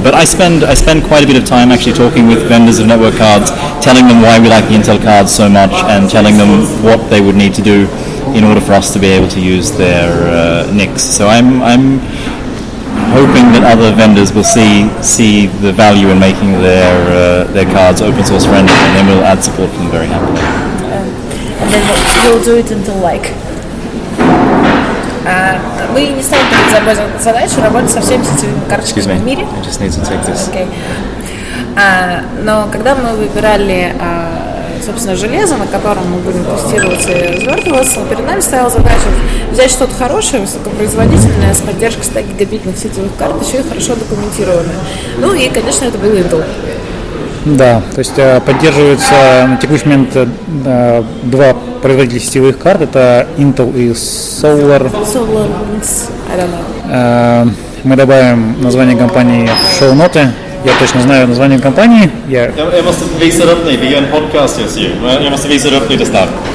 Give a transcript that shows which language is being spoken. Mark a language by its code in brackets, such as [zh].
[en] But I spend quite a bit of time actually talking with vendors of network cards, telling them why we like the Intel cards so much, and telling them what they would need to do in order for us to be able to use their NICs. So I'm hoping that other vendors will see the value in making their cards open source friendly, and then we'll add support for them very happily. And then you'll do it until like... [ru] Мы не ставим перед собой задачу работать со всеми сетевыми карточками в мире. [en] I just need to take this. Okay. [ru] Но когда мы выбирали, собственно, железо, на котором мы будем тестироваться и развертываться, перед нами стояла задача взять что-то хорошее, высокопроизводительное, с поддержкой 100 гигабитных сетевых карт, еще и хорошо документированное. Ну и, конечно, это был Intel. Да, то есть поддерживаются на текущий момент два производителя сетевых карт. Это Intel и Solar. [en] Solar, I don't know. [ru] Мы добавим название компании в шоу-ноты. Я точно знаю название компании. Я. [en] It must be suddenly be on podcast with you. It must be suddenly to start.